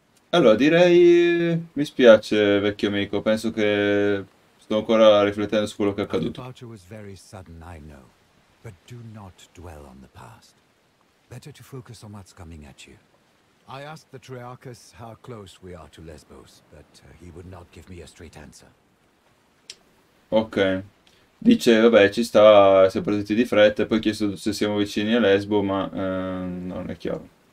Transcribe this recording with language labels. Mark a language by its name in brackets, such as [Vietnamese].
[Italian] Allora, direi. Mi spiace, vecchio amico. Penso che sto ancora riflettendo su quello che è [English] Our [Italian] accaduto. [English] departure was very sudden, I know, but do not dwell on the past. Better to focus on what's coming at you. I asked the Triarchus how close we are to Lesbos, but he would not give me a straight answer. Ok. [Italian] Dice, vabbè, ci sta, siamo partiti di fretta, poi ho chiesto se siamo vicini a Lesbo, ma non è chiaro.